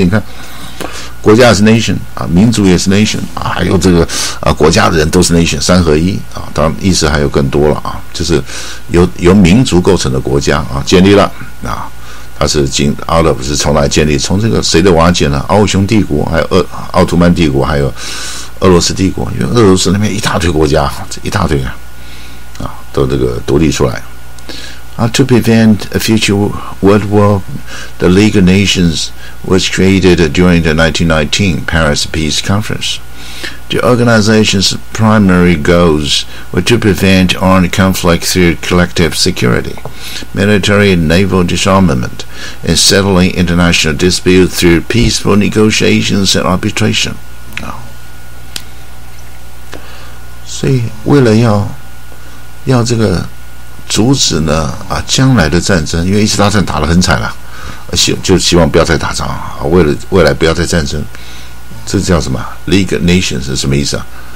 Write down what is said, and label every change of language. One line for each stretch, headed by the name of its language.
Chinese: 你看，国家是 nation 啊，民族也是 nation 啊，还有这个啊国家的人都是 nation， 三合一啊，当然意思还有更多了啊，就是由民族构成的国家啊，建立了啊。它是经奥勒是从哪建立？从这个谁的瓦解呢？奥匈帝国，还有奥斯曼帝国，还有俄罗斯帝国。因为俄罗斯那边一大堆国家，这一大堆啊，都这个独立出来。
English: To prevent a future World War, the League of Nations was created during the 1919 Paris Peace Conference. The organization's primary goals were to prevent armed conflict through collective security, military and naval disarmament, and settling international disputes through peaceful negotiations and arbitration.
Chinese: 所以为了要这个阻止呢啊，将来的战争，因为伊斯兰战打得很惨了，就希望不要再打仗啊，为了未来不要再战争，这叫什么 ？League Nation 是什么意思啊？